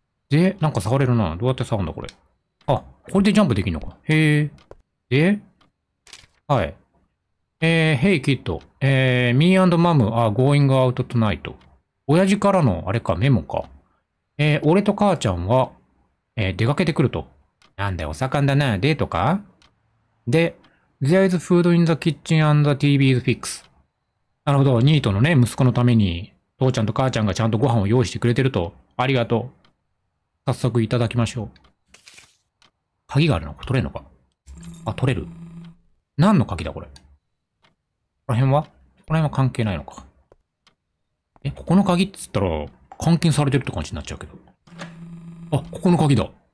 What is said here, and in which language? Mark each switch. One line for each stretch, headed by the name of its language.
Japanese: で、なんか触れるな。どうやって触るんだ、これ。あ、これでジャンプできるのか。へぇ。で、はい。
English: Hey, kid. Me and Mom are going out tonight.
Japanese: 親父からの、あれか、メモか。俺と母ちゃんは、出かけてくると。なんだよ、お盛んだな。デートか？で、
English: There is food in the kitchen and the TV is fixed.
Japanese: なるほど、ニートのね、息子のために、父ちゃんと母ちゃんがちゃんとご飯を用意してくれてると。ありがとう。早速いただきましょう。鍵があるのか、取れるのか。あ、取れる。何の鍵だ、これ。この辺は？この辺は関係ないのか。え、ここの鍵って言ったら、監禁されてるって感じになっちゃうけど。あ、ここの鍵だ。